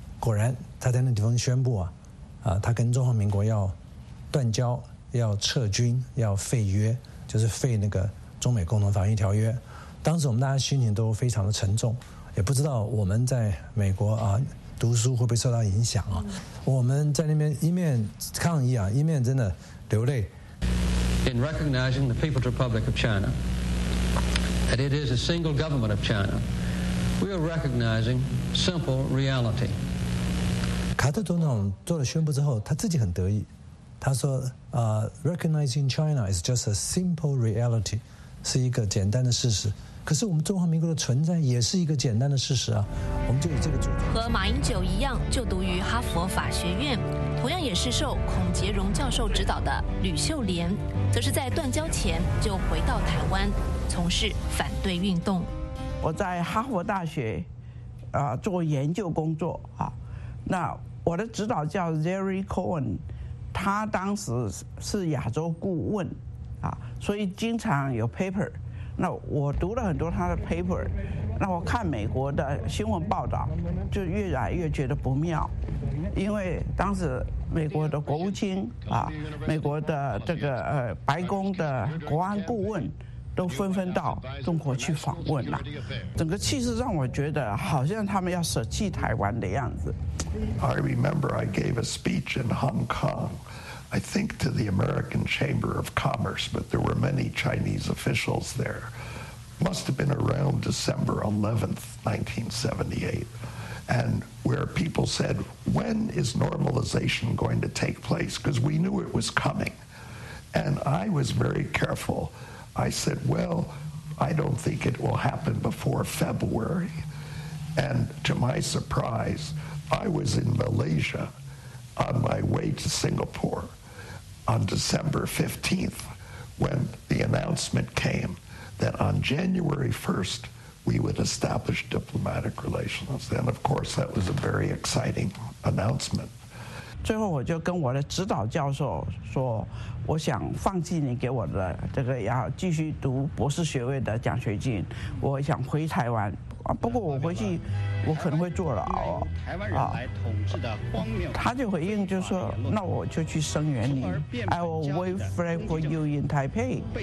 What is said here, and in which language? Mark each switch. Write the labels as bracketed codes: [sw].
[zh] 果然他在那地方宣布他跟中华民国要断交，要撤军，要废约，就是废那个中美共同防御条约。当时我们大家心情都非常的沉重，也不知道我们在美国读书会不会受到影响啊。我们在那边一面抗议啊，一面真的流泪。 [en] In recognizing the People's Republic of China, that it is a single government of China, we are recognizing simple reality. [zh] 卡特总统做了宣布之后，他自己很得意。他说 [en] recognizing China is just a simple reality, [zh] 是一个简单的事实。可是我们中华民国的存在也是一个简单的事实啊，我们就有这个主张。和马英九一样就读于哈佛法学院，同样也是受孔杰荣教授指导的吕秀莲，则是在断交前就回到台湾从事反对运动。我在哈佛大学做研究工作啊，那我的指导叫 Zary Cohen，他当时是亚洲顾问啊，所以经常有 paper， 那我读了很多他的 paper， 那我看美国的新闻报道就越来越觉得不妙。因为当时美国的国务卿啊，美国的这个白宫的国安顾问都纷纷到中国去访问了，整个气势让我觉得好像他们要舍弃台湾的样子。 [en] I remember I gave a speech in Hong Kong, I think to the American Chamber of Commerce, but there were many Chinese officials there. Must have been around December 11th, 1978, and where people said, when is normalization going to take place? Because we knew it was coming. And I was very carefulI said, well, I don't think it will happen before February. And to my surprise, I was in Malaysia on my way to Singapore on December 15th when the announcement came that on January 1st we would establish diplomatic relations. And of course, that was a very exciting announcement. [zh] 最后我就跟我的指导教授说，我想放弃你给我的这个要继续读博士学位的奖学金，我想回台湾。啊，不过我回去我可能会坐牢啊。他就回应就说，那我就去声援你， [en] I will wait flag for you in Taipei。